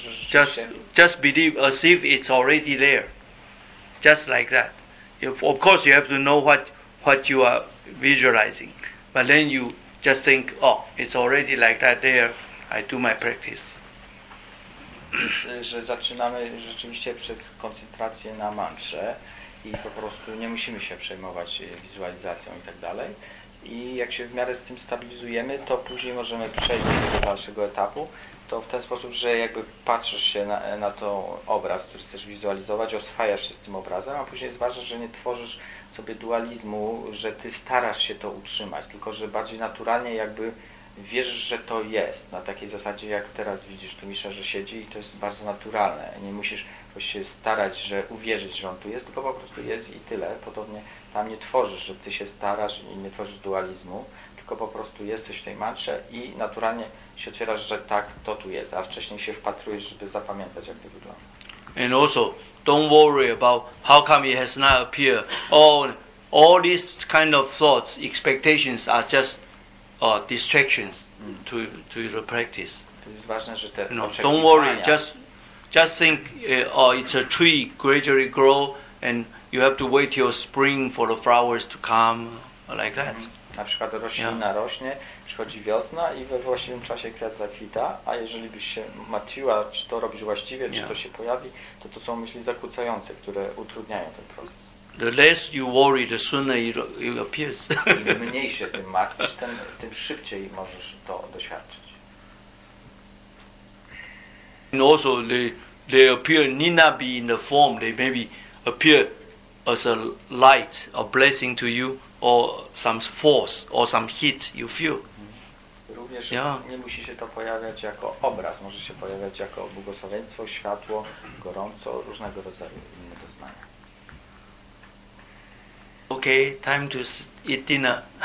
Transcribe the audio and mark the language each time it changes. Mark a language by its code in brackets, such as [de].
[en] Just believe as if it's already there. Just like that. Of course, you have to know what you are visualizing. But then you just think, oh, it's already like that there. I do my practice. [pl] Że zaczynamy rzeczywiście przez koncentrację na mantrze i po prostu nie musimy się przejmować wizualizacją i tak dalej. I jak się w miarę z tym stabilizujemy, to później możemy przejść do dalszego etapu. To w ten sposób, że jakby patrzysz się na to obraz, który chcesz wizualizować, oswajasz się z tym obrazem, a później zważasz, że nie tworzysz sobie dualizmu, że ty starasz się to utrzymać, tylko że bardziej naturalnie jakby wiesz, że to jest, na takiej zasadzie, jak teraz widzisz tu Misza, że siedzi i to jest bardzo naturalne. Nie musisz się starać, że uwierzyć, że on tu jest, tylko po prostu jest i tyle. Podobnie tam nie tworzysz, że ty się starasz i nie tworzysz dualizmu, tylko po prostu jesteś w tej mantrze i naturalnie się otwierasz, że tak, to tu jest, a wcześniej się wpatrujesz, żeby zapamiętać, jak to wygląda. [en] And also, don't worry about how come it has not appeared. All these kind of thoughts, expectations are just distractions to the practice. Don't worry, just think it's a tree gradually grow and you have to wait till spring for the flowers to come, like that. [pl] Na przykład roślina rośnie, przychodzi wiosna i we właściwym czasie kwiat zakwita, a jeżeli byś się martwiła, czy to robisz właściwie, czy to się pojawi, to są myśli zakłócające, które utrudniają ten proces. [en] The less you worry, the sooner it appears. [pl] Im mniej się tym martwisz, tym szybciej możesz to doświadczyć. [en] And also they appear need not be in the form. They maybe appear as a light, a blessing to you, or some force, or some heat you feel. [pl] Również nie musi się to pojawiać jako obraz. Może się pojawiać jako błogosławieństwo, światło, gorąco, różnego rodzaju. [en] Okay, time to eat dinner.